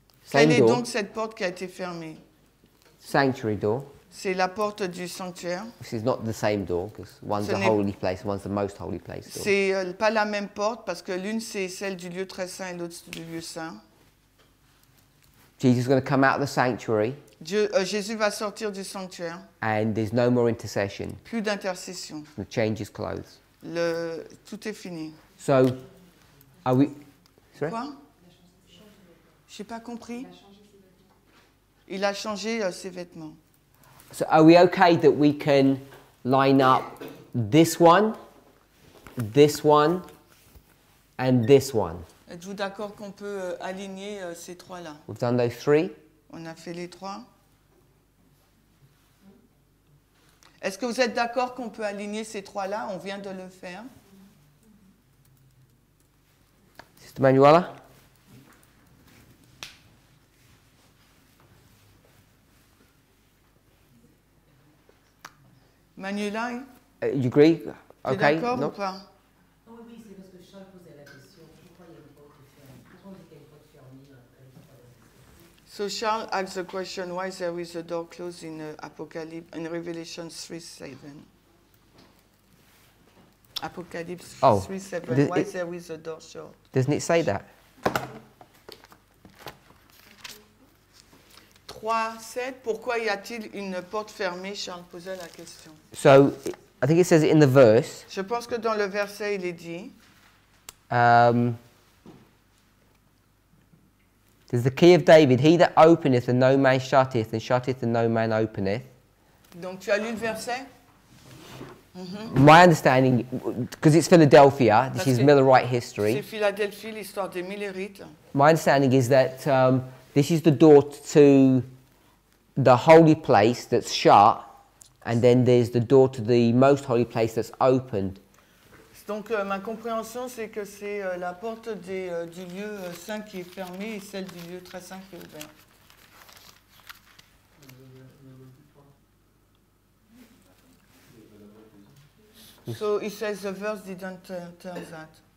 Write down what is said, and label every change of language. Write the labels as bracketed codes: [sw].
[fr] Quelle est donc cette porte qui a été fermée? [en] Sanctuary door. [fr] C'est la porte du sanctuaire. [en] This is not the same door, because one's the holy place, one's the most holy place door. [fr] C'est pas la même porte, parce que l'une c'est celle du lieu très saint et l'autre c'est du lieu saint. [en] Jesus is going to come out of the sanctuary. [fr] Jésus va sortir du sanctuaire. [en] And there's no more intercession. [fr] Plus d'intercession. [en] He changes his clothes. [fr] Tout est fini. [en] So, are we... Sorry? [fr] Quoi? J'ai pas compris. Il a changé ses vêtements. [en] So are we okay that we can line up this one, and this one? [fr] Êtes-vous d'accord qu'on peut aligner ces trois-là? [en] We've done those three. [fr] On a fait les trois. Est-ce que vous êtes d'accord qu'on peut aligner ces trois-là? On vient de le faire. [en] Sister Manuela? Manuela, you agree? [fr] T'es okay. D'accord ou pas? Oh oui, c'est parce que Charles posait la question. Pourquoi il y a une porte fermée? Pourquoi on dit qu'il y a une porte fermée? [en] So Charles asked the question, why there is a door closed in Apocalypse, in Revelation 3:7? Apocalypse 3:7, why there is a door shut? Doesn't it say that? [fr] 3:7, pourquoi y a-t-il une porte fermée? Charles posait la question. [en] So, I think it says in the verse. [fr] Je pense que dans le verset, il est dit. [en] There's the key of David. He that openeth and no man shutteth, and shutteth and no man openeth. [fr] Donc, tu as lu le verset? Mm-hmm. [en] My understanding, because it's Philadelphia, this is Millerite history. [fr] C'est Philadelphie, l'histoire des Millerites. [en] My understanding is that... this is the door to the holy place that's shut, and then there's the door to the most holy place that's opened. [fr] Donc ma compréhension c'est que c'est la porte du lieu saint qui est fermée et celle du lieu très saint qui est ouverte. [en] So it says the verse didn't tell that.